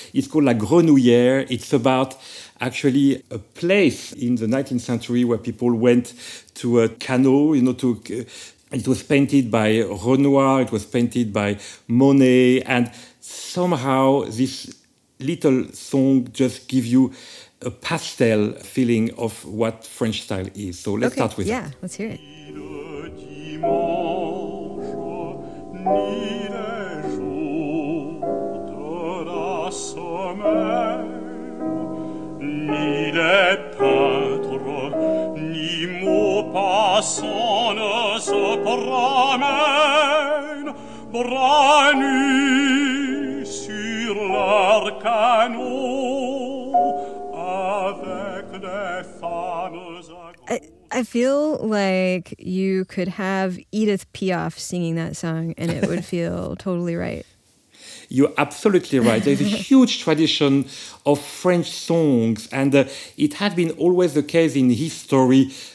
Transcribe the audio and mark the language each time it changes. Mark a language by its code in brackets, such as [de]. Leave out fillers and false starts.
[en] It's called La Grenouillère. It's about actually a place in the 19th century where people went to a canoe, you know, to... It was painted by Renoir, it was painted by Monet, and somehow this little song just gives you a pastel feeling of what French style is. So let's start with that. Yeah, let's hear it. [fr] Ni le dimanche, ni les jours de la semaine, ni les peintres, ni mots passants. Promène bras nus sur leur canot avec des femmes. [en] I feel like you could have Edith Piaf singing that song and it would feel totally right. You're absolutely right. There's a huge tradition of French songs, and it has been always the case in history.